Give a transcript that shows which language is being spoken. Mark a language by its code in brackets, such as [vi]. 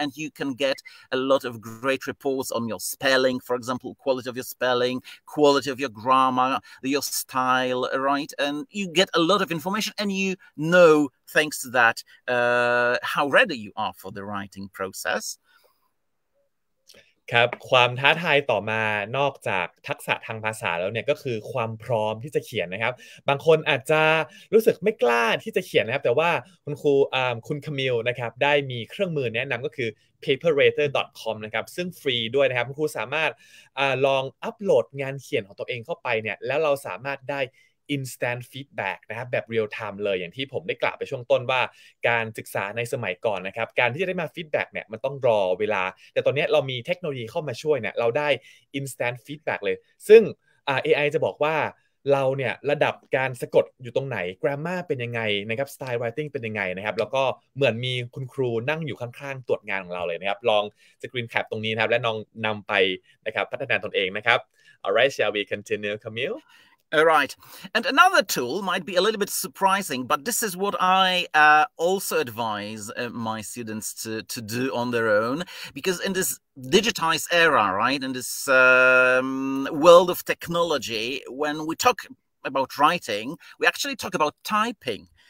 [en] And you can get a lot of great reports on your spelling, for example, quality of your spelling, quality of your grammar, your style, right? And you get a lot of information and you know, thanks to that, how ready you are for the writing process. [th] ครับความท้าทายต่อมานอกจากทักษะทางภาษาแล้วเนี่ยก็คือความพร้อมที่จะเขียนนะครับบางคนอาจจะรู้สึกไม่กล้าที่จะเขียนนะครับแต่ว่าคุณครูคุณคามิลนะครับได้มีเครื่องมือแนะนำก็คือ paperwriter.com นะครับซึ่งฟรีด้วยนะครับคุณครูสามารถ ลองอัปโหลดงานเขียนของตัวเองเข้าไปเนี่ยแล้วเราสามารถได้instant feedback นะครับแบบ real time เลยอย่างที่ผมได้กล่าวไปช่วงต้นว่าการศึกษาในสมัยก่อนนะครับการที่จะได้มา feedback เนี่ยมันต้องรอเวลาแต่ตอนนี้เรามีเทคโนโลยีเข้ามาช่วยเนี่ยเราได้ instant feedback เลยซึ่ง AI จะบอกว่าเราเนี่ยระดับการสะกดอยู่ตรงไหน grammar เป็นยังไงนะครับ style writing เป็นยังไงนะครับแล้วก็เหมือนมีคุณครูนั่งอยู่ข้างๆตรวจงานของเราเลยนะครับลอง screen cap ตรงนี้นะครับและลองนำไปนะครับพัฒนาตนเองนะครับ [en] alright shall we continue Camille? All right. And another tool might be a little bit surprising, but this is what I also advise my students to do on their own. Because in this digitized era, right, in this world of technology, when we talk about writing, we actually talk about typing.